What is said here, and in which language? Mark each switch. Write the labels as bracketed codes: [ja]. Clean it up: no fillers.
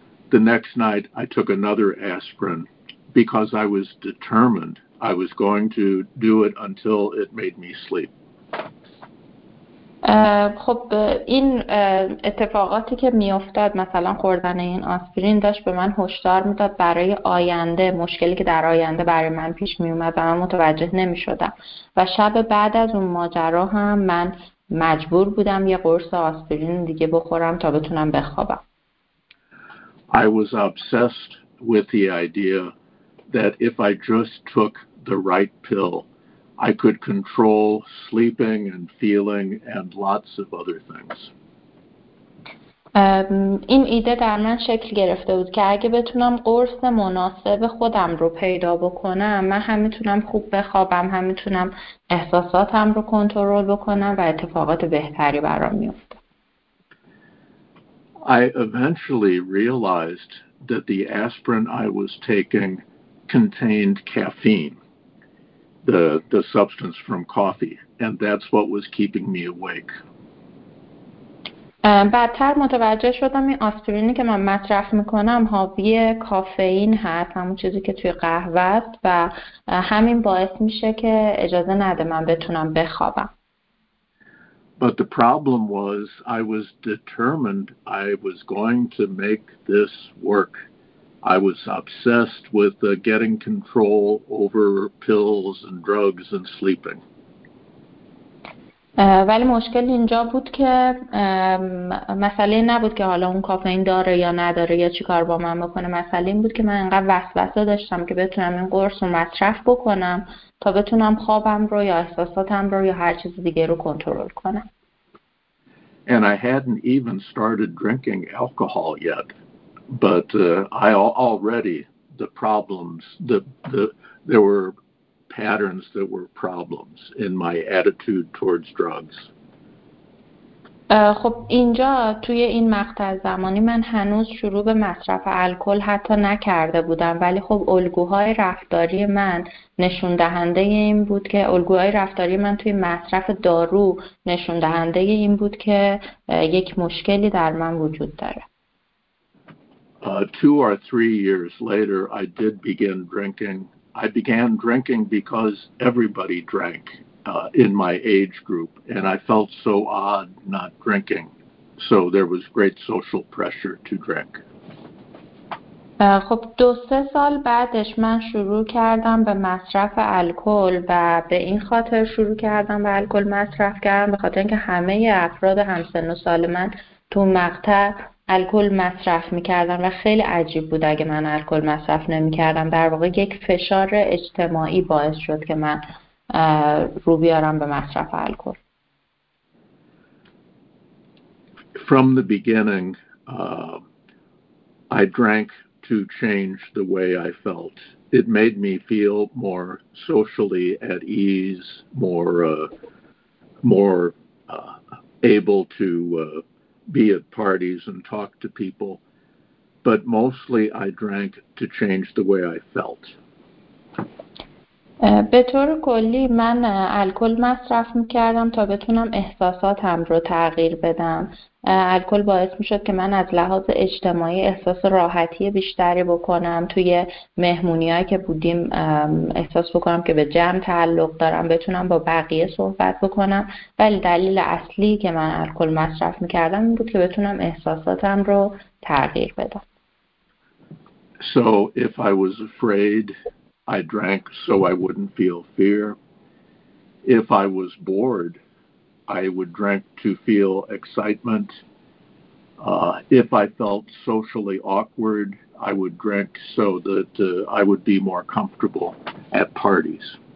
[en] The next night I took another aspirin because I was determined I was going to do it until it made me sleep. [fa] خب این اتفاقاتی که می افتاد، مثلا خوردن این آسپرین داشت به من هشدار می داد برای آینده، مشکلی که در آینده برای من پیش می اومد و من متوجه نمی شدم و شب بعد از اون ماجرا هم من مجبور بودم یه قرص آسپرین دیگه بخورم تا بتونم بخوابم. [en] I was obsessed with the idea that if I just took the right pill I could control sleeping and feeling and lots of other things. [fa] این ایده در من شکل گرفته بود که اگه بتونم قرص مناسب خودم رو پیدا بکنم، من هم میتونم خوب بخوابم، هم میتونم احساساتم رو کنترل بکنم و اتفاقات بهتری برام میفته. [en] I eventually realized that the aspirin I was taking contained caffeine. The substance from coffee, and that's what was keeping me awake. [fa] بعدتر متوجه شدم این آسپرینی که من مصرف میکنم حاوی کافئین هست، همون چیزی که توی قهوه است، و همین باعث میشه که اجازه نده من بتونم بخوابم. [en] But the problem was I was determined I was going to make this work. I was obsessed with getting control over pills and drugs and sleeping. [fa] ولی مشکل اینجا بود که مسئله نبود که حالا اون کافئین داره یا نداره یا چی کار با من بکنه، مسئله این بود که من انقدر وسوسه داشتم که بتونم این قرص رو مصرف بکنم تا بتونم خوابم رو یا احساساتم رو یا هر چیز دیگه رو کنترل کنم. [en] And I hadn't even started drinking alcohol yet, but I already the problems there were patterns that were problems in my attitude towards drugs. [fa] خب اینجا توی این مقطع زمانی من هنوز شروع به مصرف الکل حتی نکرده بودم، ولی خب الگوهای رفتاری من نشون دهنده این بود که الگوهای رفتاری من توی مصرف دارو نشون دهنده این بود که یک مشکلی در من وجود داره. [en] Two or three years later I did begin drinking. I began drinking because everybody drank in my age group, and I felt so odd not drinking. So there was great social pressure to drink. [fa] خب دو سه سال بعدش من شروع کردم به مصرف الکل و به این خاطر شروع کردم به الکل مصرف کردم به خاطر اینکه همه افراد همسن و سال من تو مقطع الکل مصرف میکردم و خیلی عجیب بود اگه من الکل مصرف نمیکردم. در واقع یک فشار اجتماعی باعث شد که من رو بیارم به مصرف الکل. [en] From the beginning, I drank to change the way I felt. It made me feel more socially at ease, more able to be at parties and talk to people, but mostly I drank to change the way I felt. [fa] به طور کلی من الکل مصرف میکردم تا بتونم احساساتم رو تغییر بدم. الکل باعث میشد که من از لحاظ اجتماعی احساس راحتی بیشتری بکنم، توی مهمونیایی که بودیم احساس بکنم که به جمع تعلق دارم، بتونم با بقیه صحبت بکنم، ولی دلیل اصلی که من الکل مصرف میکردم این بود که بتونم احساساتم رو تغییر بدم. [en] So if I was afraid I drank so I wouldn't feel fear. If I was bored, I would drink to feel excitement. If I felt socially awkward, I would drink so that I would be more comfortable at parties.